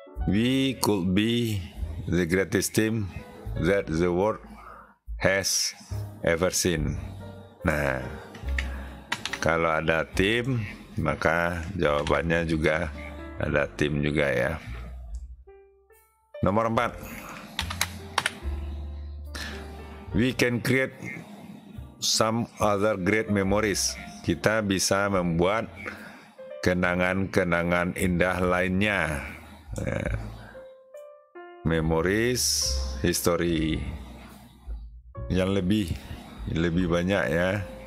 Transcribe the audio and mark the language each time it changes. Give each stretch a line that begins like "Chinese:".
English: We could be the greatest team that the world has ever seen.
Indonesian: Nah, kalau ada tim, maka jawabannya juga ada tim juga ya. Nomor 4.
English: We can create some other great memories.
Indonesian: Kita bisa membuat kenangan-kenangan indah lainnya.
English: Memories, history.
Indonesian: Yang lebih banyak ya.